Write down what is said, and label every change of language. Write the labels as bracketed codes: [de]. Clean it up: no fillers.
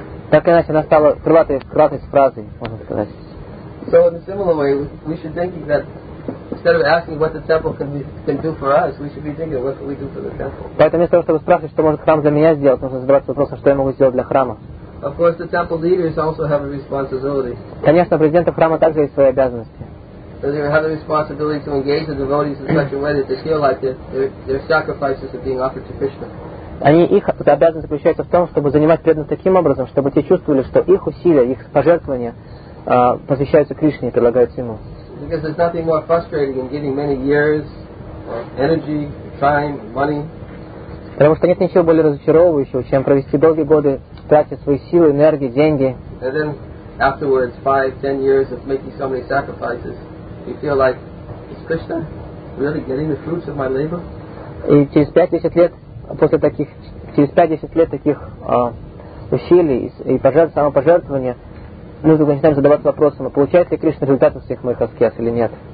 [ru] Так иначе она стала крылатой фразой, можно сказать. [en] So in a similar way, we should think that instead of asking what the temple can do for us, we should be thinking what can we do for the temple. [ru] Поэтому вместо того, чтобы спрашивать, что может храм за меня сделать, нужно задаваться вопросом, что я могу сделать для храма. [en] Of course, the temple leaders also have a responsibility. [ru] Конечно, президенты храма также есть свои обязанности. [en] So they have a responsibility to engage the devotees in such a way that they feel like their sacrifices are being offered to Krishna. [ru] Они, их обязанность заключается в том, чтобы занимать преданность таким образом, чтобы те чувствовали, что их усилия, их пожертвования посвящаются Кришне и предлагаются Ему. [en] Because there's nothing more frustrating than giving many years of energy, time, money. [ru] Потому что нет ничего более разочаровывающего, чем провести долгие годы, тратя свои силы, энергии, деньги. [en] And then afterwards, 5-10 years of making so many sacrifices, you feel like, is Krishna really getting the fruits of my labor? [ru] И через 5-10 лет после таких, через 5-10 лет таких усилий и самопожертвования, мы начинаем задаваться вопросом, а получает ли Кришна результат из всех моих аскез или нет.